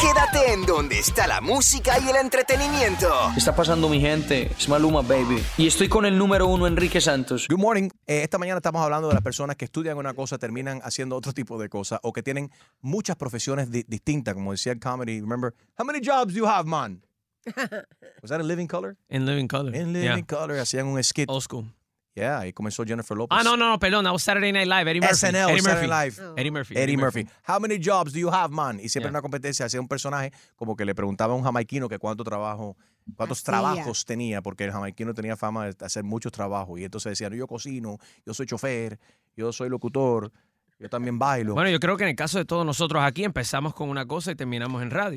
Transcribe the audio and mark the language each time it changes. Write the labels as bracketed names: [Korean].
[Spanish] Quédate en donde está la música y el entretenimiento. ¿Qué está pasando, mi gente? Es Maluma, baby. Y estoy con el número uno, Enrique Santos. [English] Good morning. [Spanish] Esta mañana estamos hablando de las personas que estudian una cosa, terminan haciendo otro tipo de cosa, o que tienen muchas profesiones distintas, como decía el comedy. [English] Remember, how many jobs do you have, man? Was that in Living Color? In Living Color. [Spanish] In Living Color, hacían un skit. [English] Old school. [Spanish] Yeah, ahí comenzó Jennifer Lopez. Ah, no, perdón, [English] that was Saturday Night Live, Eddie Murphy. SNL, Eddie Saturday Murphy. Live. Oh. Eddie Murphy. Eddie Murphy. How many jobs do you have, man? [Spanish] Y siempre en una competencia hacía un personaje como que le preguntaba a un jamaiquino que cuántos trabajos tenía, porque el jamaiquino tenía fama de hacer muchos trabajos. Y entonces decían, yo cocino, yo soy chofer, yo soy locutor, yo también bailo. Bueno, yo creo que en el caso de todos nosotros aquí empezamos con una cosa y terminamos en radio.